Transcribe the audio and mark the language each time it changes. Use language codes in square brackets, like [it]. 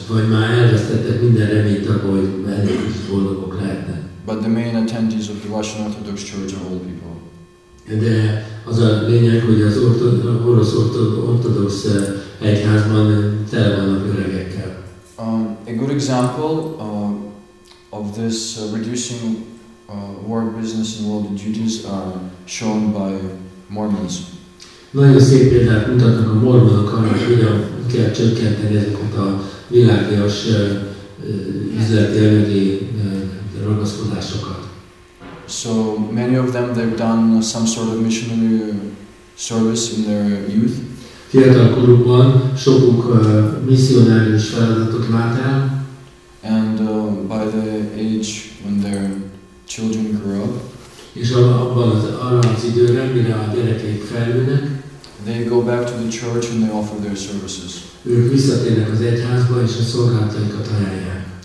[hu] Vagy már elvesztettek minden reményt abban, hogy elég is boldogok lehetnek. [en] But the main attendees of the Russian Orthodox Church are old people. [hu] De az a lényeg, hogy az orosz ortodox egyházban tele vannak öregekkel. [en] A good example of this reducing work, business and worldly duties are shown by Mormons. [hu] Nagyon szép példát mutatnak a mormonok arra, hogy hogyan kell csökkenteni ezeket a világias üzleti anyagi ragaszkodásokat. [en] So many of them, they've done some sort of missionary service in their youth. [hu] Fiatal korukban sokuk missionárius feladatot lát el. [en] And by the age when they're children grew up. [hu] És abban az arra az időre, mire a gyerekek felülnek, [en] they go back to the church and they offer their services. [hu] Ők visszatérnek az egyházba és a szolgálataikat ajánlják.